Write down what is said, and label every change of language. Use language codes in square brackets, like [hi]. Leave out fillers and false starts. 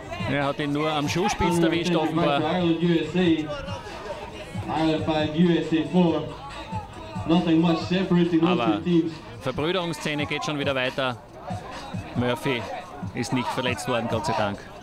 [de] Er hat ihn nur am Schuhspitz erwischt, offenbar. Ireland, USA. Ireland 5, USA 4. [en] Nothing much separating those two teams. [de] Verbrüderungsszene geht schon wieder weiter. Murphy ist nicht verletzt worden, Gott sei Dank.